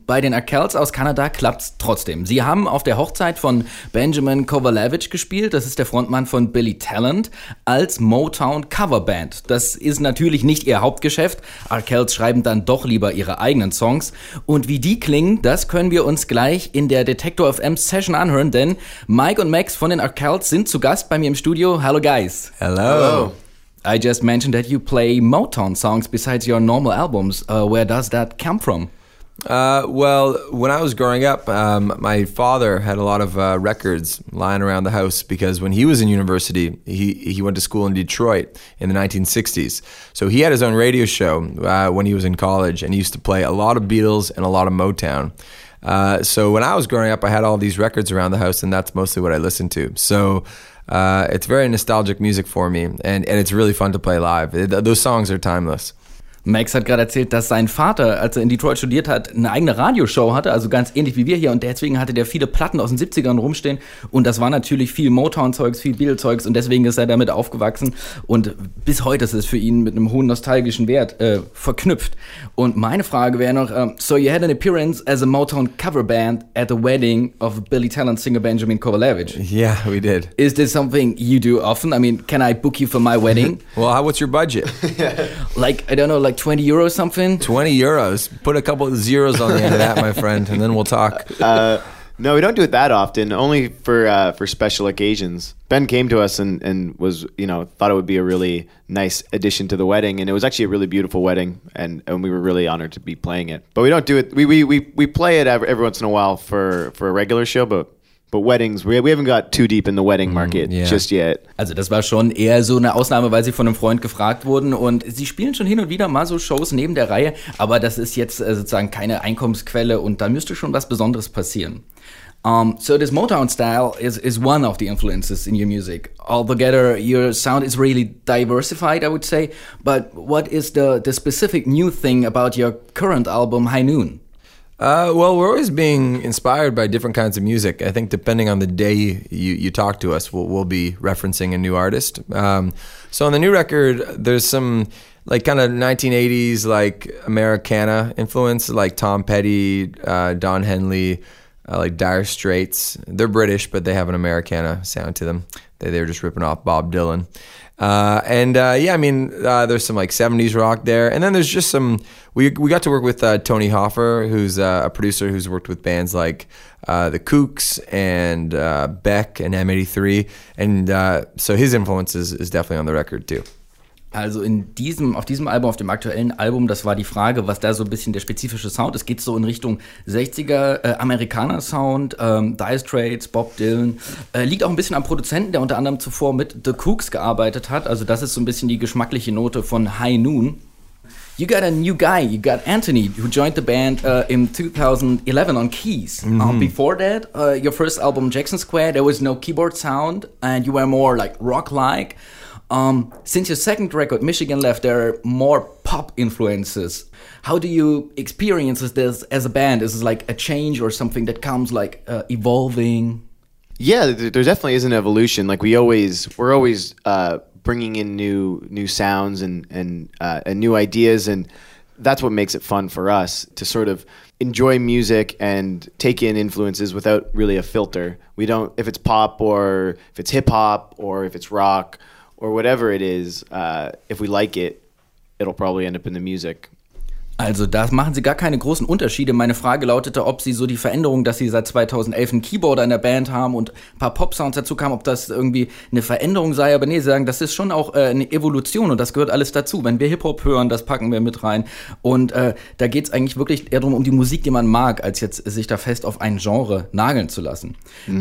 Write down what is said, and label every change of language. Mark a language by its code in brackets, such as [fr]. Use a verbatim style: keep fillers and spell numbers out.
[de] Bei den Akels aus Kanada klappt's trotzdem. Sie haben auf der Hochzeit von Benjamin Kovaljevich gespielt, das ist der Frontmann von Billy Talent, als Motown-Coverband. Das ist natürlich nicht ihr Hauptgeschäft. Akels schreiben dann doch lieber ihre eigenen Songs. Und wie die klingen, das können wir uns gleich in der Detektor F M Session anhören, denn Mike und Max von den Akels sind zu Gast bei mir im Studio. [en] Hello, guys. Hello. Hello. I just mentioned that you play Motown songs besides your normal albums. Uh, where does that come from? Uh, well, when I was growing up, um, my father had a lot of uh, records lying around the house because when he was in university, he, he went to school in Detroit in the nineteen sixties. So he had his own radio show uh, when he was in college, and he used to play a lot of Beatles and a lot of Motown. Uh, so when I was growing up, I had all these records around the house, and that's mostly what I listened to. So... Uh, it's very nostalgic music for me and, and it's really fun to play live. It, those songs are timeless. [de] Max hat gerade erzählt, dass sein Vater, als er in Detroit studiert hat, eine eigene Radioshow hatte, also ganz ähnlich wie wir hier, und deswegen hatte der viele Platten aus den siebzigern rumstehen und das war natürlich viel Motown-Zeugs, viel Beatles-Zeugs und deswegen ist er damit aufgewachsen und bis heute ist es für ihn mit einem hohen nostalgischen Wert äh, verknüpft. Und meine Frage wäre noch, [en] um, so you had an appearance as a Motown cover band at the wedding of Billy Talent singer Benjamin Kovaljevich. Yeah, we did. Is this something you do often? I mean, can I book you for my wedding? Well, how, what's your budget? Like, I don't know, like Like twenty euros something? twenty euros. Put a couple of zeros on the end of that, my friend, and then we'll talk. Uh, no, we don't do it that often, only for uh, for special occasions. Ben came to us and, and was, you know, thought it would be a really nice addition to the wedding, and it was actually a really beautiful wedding, and, and we were really honored to be playing it. But we don't do it, we we, we, we play it every, every once in a while for, for a regular show, but... But weddings, we haven't got too deep in the wedding market mm, yeah. just yet. [de] Also das war schon eher so eine Ausnahme, weil sie von einem Freund gefragt wurden und sie spielen schon hin und wieder mal so Shows neben der Reihe, aber das ist jetzt sozusagen keine Einkommensquelle und da müsste schon was Besonderes passieren. [en] Um, so this Motown style is, is one of the influences in your music. Altogether, your sound is really diversified, I would say, but what is the, the specific new thing about your current album, High Noon? Uh, well, we're always being inspired by different kinds of music. I think depending on the day you, you talk to us, we'll, we'll be referencing a new artist. Um, so on the new record, there's some like kind of nineteen eighties like Americana influence, like Tom Petty, uh, Don Henley, uh, like Dire Straits. They're British, but they have an Americana sound to them. They, they're just ripping off Bob Dylan. Uh, and uh, yeah, I mean, uh, there's some like seventies rock there, and then there's just some. We we got to work with uh, Tony Hoffer, who's uh, a producer who's worked with bands like uh, the Kooks and uh, Beck and M eighty-three, and uh, so his influence is, is definitely on the record too. [de] Also in diesem, auf diesem Album, auf dem aktuellen Album, das war die Frage, was da so ein bisschen der spezifische Sound ist. Geht so in Richtung sechziger äh, Amerikaner-Sound, ähm, Dire Straits, Bob Dylan. Äh, liegt auch ein bisschen am Produzenten, der unter anderem zuvor mit The Kooks gearbeitet hat. Also das ist so ein bisschen die geschmackliche Note von High Noon. [en] You got a new guy, you got Anthony, who joined the band uh, in two thousand eleven on keys. Mm-hmm. Um, before that, uh, your first album, Jackson Square, there was no keyboard sound and you were more like rock-like. Um, since your second record, Michigan Left, there are more pop influences. How do you experience this as a band? Is it like a change or something that comes like uh, evolving? Yeah, there definitely is an evolution. Like we always, we're always uh, bringing in new new sounds and and, uh, and new ideas, and that's what makes it fun for us to sort of enjoy music and take in influences without really a filter. We don't, if it's pop or if it's hip hop or if it's rock. Or whatever it is, uh, if we like it, it'll probably end up in the music. [de] Also da machen sie gar keine großen Unterschiede. Meine Frage lautete, ob sie so die Veränderung, dass sie seit zweitausendelf einen Keyboarder in der Band haben und ein paar Pop-Sounds dazu kamen, ob das irgendwie eine Veränderung sei. Aber nee, sie sagen, das ist schon auch äh, eine Evolution und das gehört alles dazu. Wenn wir Hip-Hop hören, das packen wir mit rein. Und äh, da geht es eigentlich wirklich eher darum, um die Musik, die man mag, als jetzt sich da fest auf ein Genre nageln zu lassen. Mhm.